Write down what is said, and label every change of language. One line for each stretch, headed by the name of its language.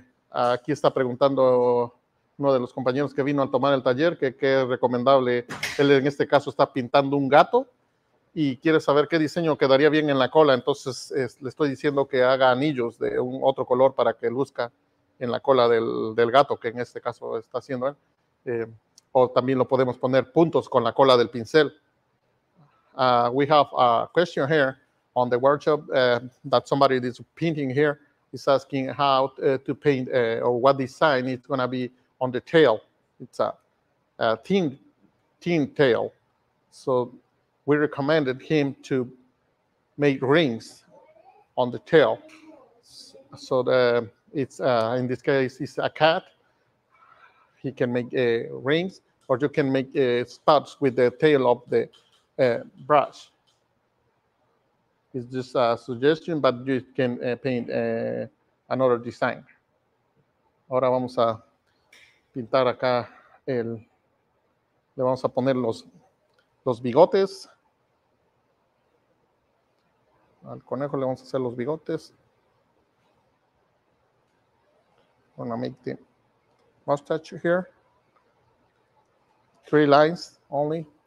Spanish: Aquí está preguntando uno de los compañeros que vino a tomar el taller, que qué recomendable, él en este caso está pintando un gato y quiere saber qué diseño quedaría bien en la cola, entonces le estoy diciendo que haga anillos de un otro color para que luzca en la cola del gato, que en este caso está haciendo él. O también lo podemos poner puntos con la cola del pincel.
English: We have a question here on the workshop that somebody is painting here. He's asking how to paint or what design it's going to be on the tail. It's a thin tail. So we recommended him to make rings on the tail. So it's in this case, it's a cat. He can make rings, or you can make spots with the tail of the brush. It's just a suggestion, but you can paint another design.
Spanish: Ahora vamos a pintar acá le vamos a poner los bigotes. Al conejo le vamos a hacer los bigotes.
English: I'm gonna make the mustache here. Three lines only.